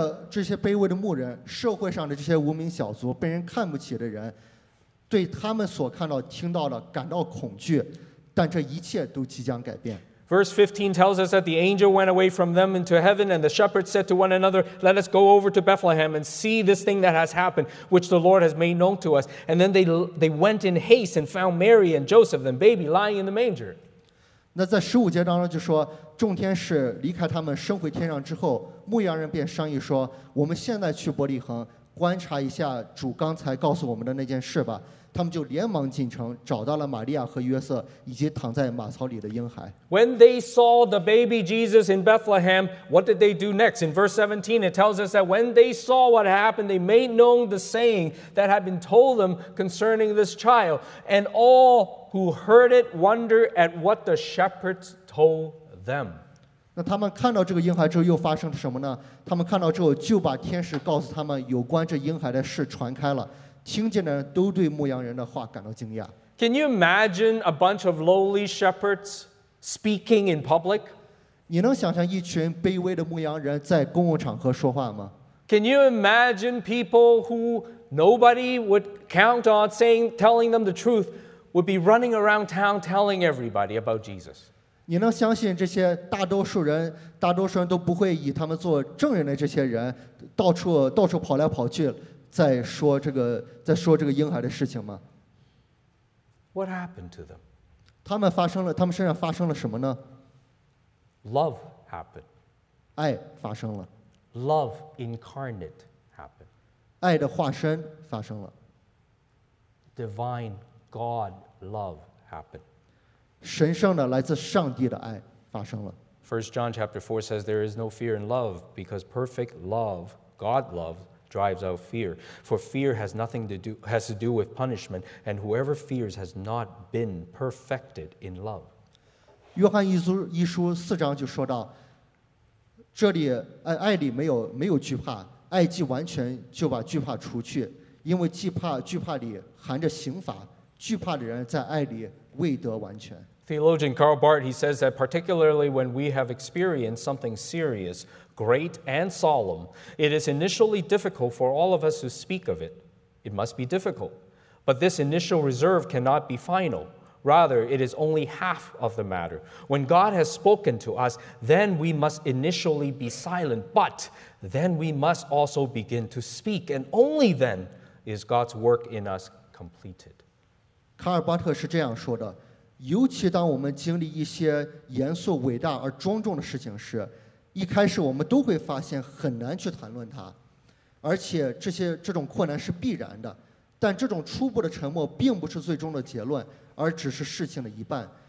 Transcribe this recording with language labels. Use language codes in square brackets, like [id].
[zh] 这些卑微的牧人，社会上的这些无名小卒，被人看不起的人，对他们所看到、听到的感到恐惧，但这一切都即将改变。 [en] Verse 15 tells us that the angel went away from them into heaven, and the shepherds said to one another, "Let us go over to Bethlehem and see this thing that has happened, which the Lord has made known to us." And then they went in haste and found Mary and Joseph, the baby lying in the manger. [zh] 那在十五节当中就说，众天使离开他们升回天上之后，牧羊人便商议说，我们现在去伯利恒观察一下主刚才告诉我们的那件事吧。他们就连忙进城，找到了玛利亚和约瑟，以及躺在马槽里的婴孩。 [en] When they saw the baby Jesus in Bethlehem, what did they do next? In verse 17, it tells us that when they saw what happened, they made known the saying that had been told them concerning this child. And all who heard it wondered at what the shepherds told them. [zh] 那他们看到这个婴孩之后又发生了什么呢？他们看到之后就把天使告诉他们有关这婴孩的事传开了。听见的人都对牧羊人的话感到惊讶。 [en] Can you imagine a bunch of lowly shepherds speaking in public? [zh] 你能想象一群卑微的牧羊人在公共场合说话吗？ [en] Can you imagine people who nobody would count on saying, telling them the truth would be running around town telling everybody about Jesus? [zh] 你能相信这些大多数人都不会以他们做证人的这些人到处跑来跑去在说这个婴孩的事情吗？ [en] What happened to them? [zh] 他们身上发生了什么呢？ [en] Love happened. [zh] 爱发生了。 [en] Love incarnate happened. [zh] 爱的化身发生了。 [en] Divine God love happened. [zh] 神圣的来自上帝的爱发生了。 [en] First John chapter 4 says there is no fear in love because perfect love, God love,drives out fear, for fear has nothing to do has to do with punishment, and whoever fears has not been perfected in love. [zh] 约翰一书四章就说到，这里爱里没有惧怕，爱既完全就把惧怕除去，因为惧怕里含着刑罚，惧怕的人在爱里未得完全。 [en] Theologian Karl Barth he says that particularly when we have experienced something serious. Great and solemn, it is initially difficult for all of us to speak of it. It must be difficult. But this initial reserve cannot be final. Rather, it is only half of the matter. When God has spoken to us, then we must initially be silent, but then we must also begin to speak, and only then is God's work in us completed. [zh] Karl Barth 是这样说的，尤其当我们经历一些严肃、伟大而庄重的事情时，一开始我们都会发现很难去谈论它，而且这种困难是必然的，但这种初步的沉默并不是最终的结论，而只是事情的一半。